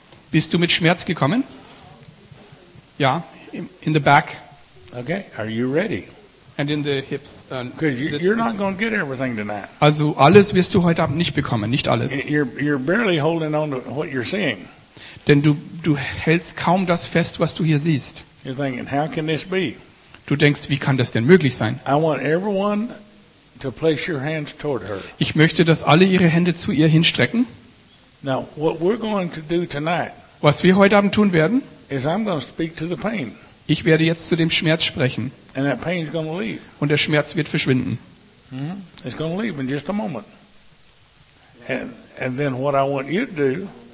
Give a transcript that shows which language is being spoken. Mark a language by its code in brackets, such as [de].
[de] Bist du mit Schmerz gekommen? Ja, [en] in the back. Okay, are you ready? And in the hips. You're not going to get everything tonight. [de] Also alles wirst du heute Abend nicht bekommen, nicht alles. [en] You're barely holding on to what you're seeing. [de] Denn du hältst kaum das fest, was du hier siehst. [en] You're thinking, how can this be? [de] Du denkst, wie kann das denn möglich sein? [en] I want everyone to place your hands toward her. [de] Ich möchte, dass alle ihre Hände zu ihr hinstrecken. [en] Now, what we're going to do tonight, [de] was wir heute Abend tun werden, [en] is I'm going to speak to the pain. [de] Ich werde jetzt zu dem Schmerz sprechen. [en] And that pain's going to leave. [de] Und der Schmerz wird verschwinden. Mm-hmm. [en] It's going to leave in just a moment. And then what I want you to do,